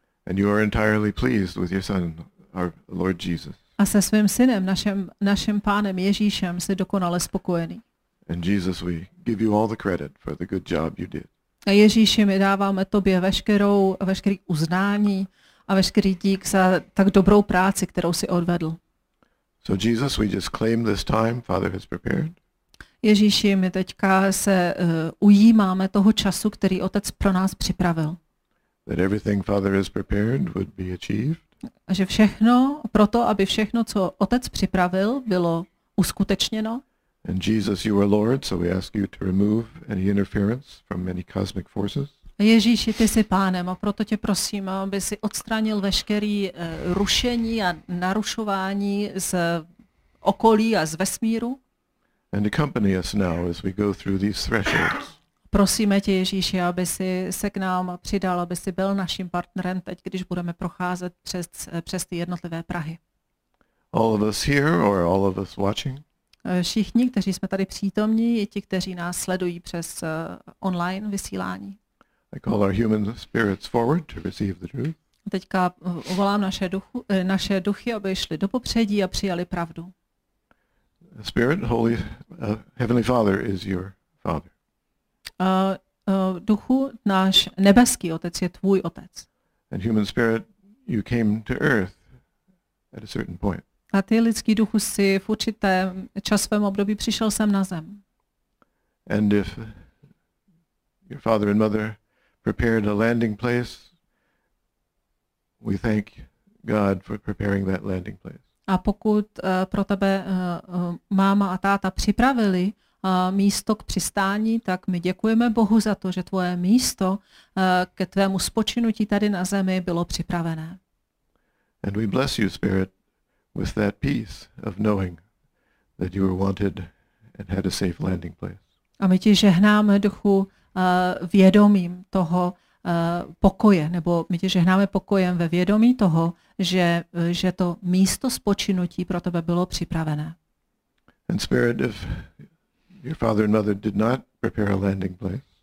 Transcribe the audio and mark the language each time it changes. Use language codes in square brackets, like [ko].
[en] And you are entirely pleased with your son, our Lord Jesus. [cs] A se svým synem, naším pánem Ježíšem, jsi dokonale spokojený. [en] And Jesus, we give you all the credit for the good job you did. [cs] A Ježíši, my dáváme tobě veškerý uznání a veškerý dík za tak dobrou práci, kterou jsi odvedl. [en] So Jesus, we just claim this time Father has prepared. [cs] Ježíši, my teďka se ujímáme toho času, který Otec pro nás připravil. [en] That everything Father has prepared would be achieved. [cs] A že všechno, proto aby všechno, co Otec připravil, bylo uskutečněno. [en] And Jesus, you are Lord, so we ask you to remove any interference from many cosmic forces. [cs] Ježíši, ty jsi pánem, a proto tě prosím, aby si odstranil veškerý rušení a narušování z okolí a z vesmíru. [en] And accompany us now as we go through these thresholds. [cs] Prosíme tě, Ježíši, aby si se k nám přidal, aby si byl naším partnerem teď, když budeme procházet přes ty jednotlivé prahy. [en] All of us here or all of us watching? [cs] Všichni, kteří jsme tady přítomní, i ti, kteří nás sledují přes online vysílání. [en] I call our human spirits forward to receive the truth. [cs] Teďka volám naše duchy, aby šli do popředí a přijali pravdu. [en] Spirit, Holy, Heavenly Father is your Father. [cs] Duchu, náš nebeský Otec je tvůj Otec. [en] And human spirit, you came to earth at a certain point. [cs] A ty, lidský duchu, si v určitém časovém období přišel sem na zem. [en] And if your father and mother prepared a landing place, we thank God for preparing that landing place. [cs] A pokud pro tebe máma a táta připravili místo k přistání, tak my děkujeme Bohu za to, že tvoje místo ke tvému spočinutí tady na zemi bylo připravené. [en] And we bless you, Spirit, with that peace of knowing that you were wanted and had a safe landing place. [cs] A my ti žehnáme duchu vědomím toho pokoje, nebo my ti žehnáme pokojem ve vědomí toho, že to místo spočinutí pro tebe bylo připravené. [en] And spirit, if your father and mother did not prepare a landing place.